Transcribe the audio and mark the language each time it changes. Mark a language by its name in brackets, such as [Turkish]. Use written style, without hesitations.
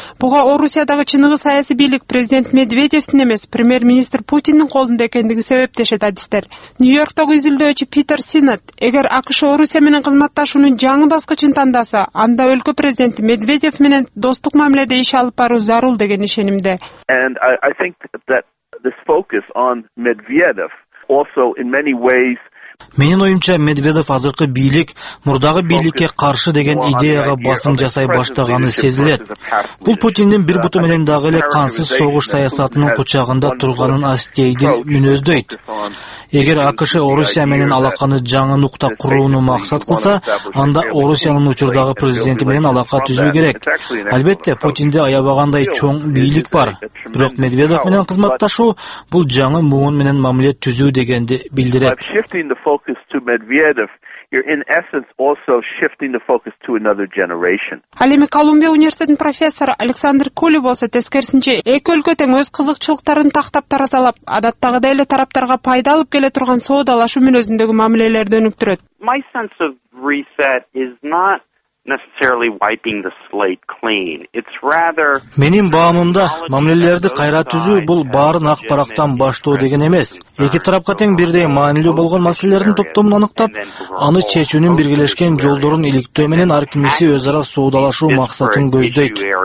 [Kyrgyz] Буга Орусиядагы чыныгы саясий бийлик президент Медведевдин эмес, премьер-министр Путиндин колунда экендиги себеп дешет адистер. Нью-Йорктогу изилдөөчү Питер Синат: эгер АКШ Орусия менен кызматташуунун жаңы баскычын тандаса, анда өлкө президенти Медведев менен достук мамиледе иш алып баруу зарыл деген ишенимде. [English] This focus on Medvedev also in many ways [Kyrgyz] менин оюмча Медведев азыркы бийлик мурдагы бийликке каршы деген идеяга басым жасай баштаганы сезилет. Бул Путиндин бир буту менен дагы эле кансыз согуш саясатынын кучагында турганын астейди мүнөздөйт. Эгер АКШ Орусия менен алаканы жаңы нукта курууну максат кылса, анда Орусиянын учурдагы президенти менен алака түзүү керек. Албетте, Путинде аябагандай чоң бийлик бар, бирок Медведев менен кызматташуу бул жаңы муун менен мамиле түзүү дегенди билдирет. [English] Focus to Medvedev, you're in essence also shifting the focus to another generation. [Kyrgyz] Ал эми Колумбия университетинин профессору Александр Кули болсо тескерисинче эки өлкө тең өз кызыкчылыктарын тактап таразалап, адаттагыдай эле тараптарга пайда алып келе турган соодалашуу мүнөзүндөгү мамилелерди өнүктүрөт. [English] My sense of reset is not necessarily wiping the slate clean. It's rather [Kyrgyz] менин баамымда мамилелерди кайра түзүү бул баарын ак барактан баштоо деген эмес. Эки тарапка тең бирдей маанилүү болгон маселелердин топтомун аныктап, аны чечүүнүн биргелешкен жолдорун иликтөө менен ар кимиси өз ара соодалашуу максатын көздөйт.